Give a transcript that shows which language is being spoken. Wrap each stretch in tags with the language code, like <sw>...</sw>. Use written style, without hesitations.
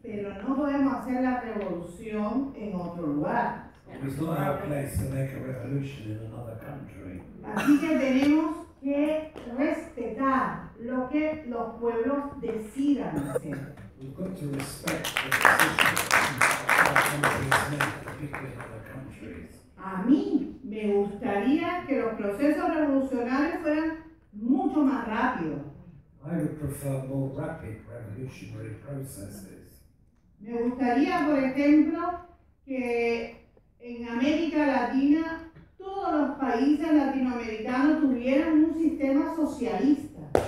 <es>Pero no podemos hacer la revolución en otro lugar.</es> <en>It's not our place to make a revolution in another country.</en> <es>Así que tenemos que respetar lo que los pueblos decidan hacer.</es> <en>We've got to respect the decisions that our countries make, particularly other countries.</en> <es>A mí me gustaría que los procesos revolucionarios fueran mucho más rápidos.</es> <en>I would prefer more rapid revolutionary processes.</en> <es>Me gustaría, por ejemplo, que en América Latina, todos los países latinoamericanos tuvieran un sistema socialista.</es>